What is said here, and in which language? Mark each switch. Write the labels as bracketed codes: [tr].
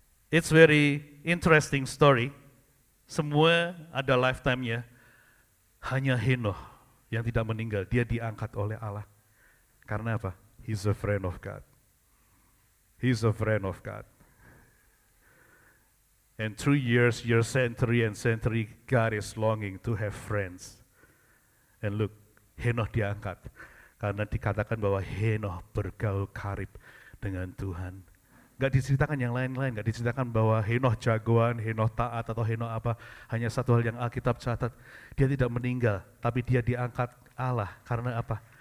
[en] It's very interesting story. [id] Semua ada lifetime-nya. Hanya Henoh yang tidak meninggal, dia diangkat oleh Allah. Karena apa? [en] He's a friend of God. He's a friend of God. And through years, your century and century, God is longing to have friends. And look, Henoh diangkat. [id] Karena dikatakan bahwa Henoh bergaul karib dengan Tuhan. Gak diceritakan yang lain-lain, gak diceritakan bahwa Henoh jagoan, Henoh taat, atau Henoh apa. Hanya satu hal yang Alkitab catat, dia tidak meninggal, tapi dia diangkat Allah. Karena apa?